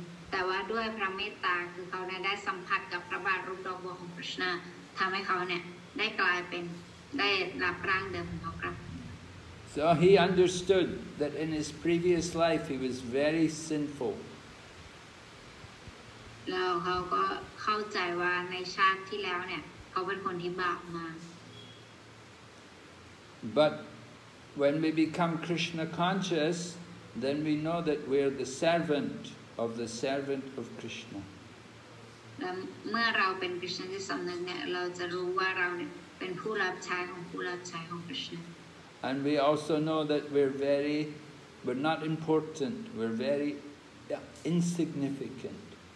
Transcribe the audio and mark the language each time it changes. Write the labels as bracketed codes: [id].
[en] But with the metta, he received the contact with the body form of Krishna, which made him become the original. So he understood that in his previous life he was very sinful. [th] แล้วเขาก็เข้าใจว่าในชาติที่แล้วเนี่ยเขาเป็นคนที่บาปมา [en] But when we become Krishna conscious, then we know that we are the servant of Krishna. [th] เมื่อเราเป็นคริสเตียนที่สำนึกเนี่ยเราจะรู้ว่าเราเนี่ยเป็นผู้รับใช้ของคริสเตียน [en] And we also know that we're not important. We're very insignificant.